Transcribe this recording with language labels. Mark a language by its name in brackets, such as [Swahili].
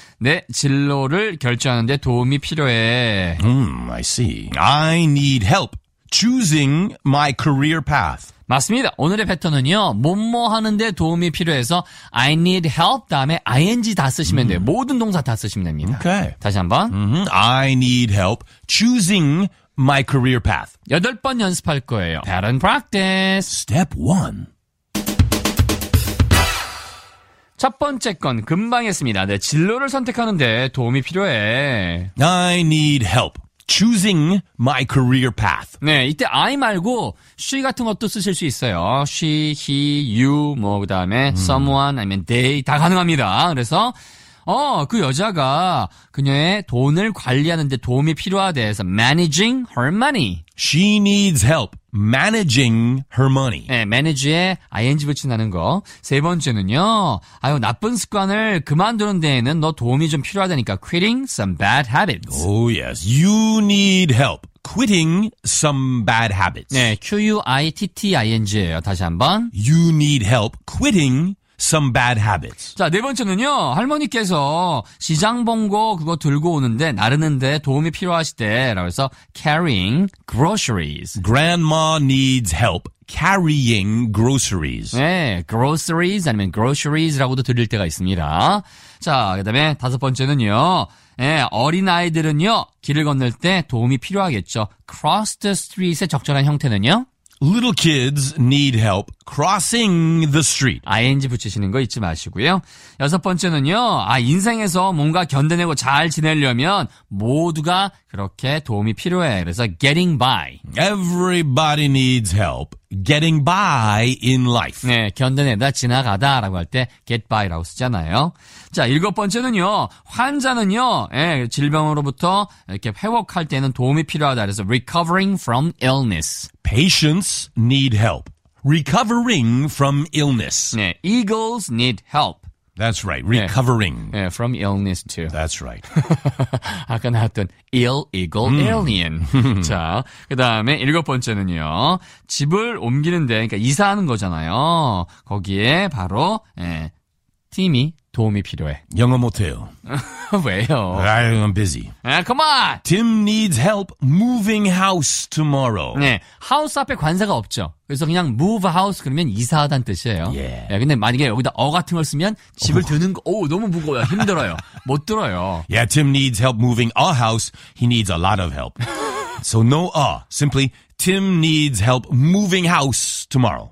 [Korean] 내 진로를 결정하는 데 도움이 필요해. [English] I see. I need help choosing my career path. [Korean] 맞습니다. 오늘의 패턴은요. 뭐뭐 하는데 도움이 필요해서 [English] I need help [Korean] 다음에 ing 다 쓰시면 돼요. 모든 동사 다 쓰시면 됩니다. [English] Okay. [Korean] 다시 한번. [English] I need help choosing my career path. [Korean] 여덟 번 연습할 거예요. [English] Pattern practice. Step 1. [Korean] 첫 번째 건 금방 했습니다. 내 진로를 선택하는데 도움이 필요해. [English] I need help choosing my career path. [Korean] 네, 이때 I 말고 she 같은 것도 쓰실 수 있어요. [English] She, he, you, [Korean] 뭐 그다음에 someone 아니면 they 다 가능합니다. 그래서 그 여자가 그녀의 돈을 관리하는데 도움이 필요하대 해서 [English] managing her money. She needs help managing her money. [Korean] 네, manage에 ing 붙인다는 거. 세 번째는요. 아유, 나쁜 습관을 그만두는 데에는 너 도움이 좀 필요하다니까. [English] Quitting some bad habits. Oh yes, you need help quitting some bad habits. [Korean] 네, quitting이에요. 다시 한번. [English] You need help quitting some bad habits. [Korean] 자, 네 번째는요. 할머니께서 시장 봉고 그거 들고 오는데 나르는데 도움이 필요하시대라고 해서 [English] carrying groceries. Grandma needs help carrying groceries. [Korean] 네, groceries 아니면 groceries라고도 들릴 때가 있습니다. 자, 그다음에 다섯 번째는요. 예, 네, 어린 아이들은요. 길을 건널 때 도움이 필요하겠죠. [English] Cross the street [Korean] 의 적절한 형태는요. [English] Little kids need help crossing the street. [Korean] ing 붙이시는 거 잊지 마시고요. 여섯 번째는요. 아, 인생에서 뭔가 견뎌내고 잘 지내려면 모두가 그렇게 도움이 필요해. 그래서 [English] getting by. Everybody needs help getting by in life. [Korean] 네, 견뎌내다 지나가다 라고 할 때 get by 라고 쓰잖아요. 자, 일곱 번째는요. 환자는요. 예, 질병으로부터 이렇게 회복할 때는 도움이 필요하다. 그래서 [English] recovering from illness. Patients need help recovering from illness. [Korean] 네, [English] eagles need help. That's right. Recovering. [Korean] 네, 네, [English] from illness too. That's right. [Korean] 아까 나왔던 [English] ill eagle alien. [Korean] 자, 그다음에 일곱 번째는요. 집을 옮기는데 그러니까 이사하는 거잖아요. 거기에 바로 예, 팀이 도움이 필요해. 영어 못해요. 왜요? [English] I'm busy. Come on. Tim needs help moving house tomorrow. [Korean] 네, house 앞에 관사가 없죠. 그래서 그냥 move house 그러면 이사하다는 뜻이에요. 예. [English] Yeah. [Korean] 네, 근데 만약에 여기다 같은 걸 쓰면 집을 드는 거, 너무 무거워요. 힘들어요. 못 들어요. [English] Yeah, Tim needs help moving a house. He needs a lot of help. So no simply Tim needs help moving house tomorrow.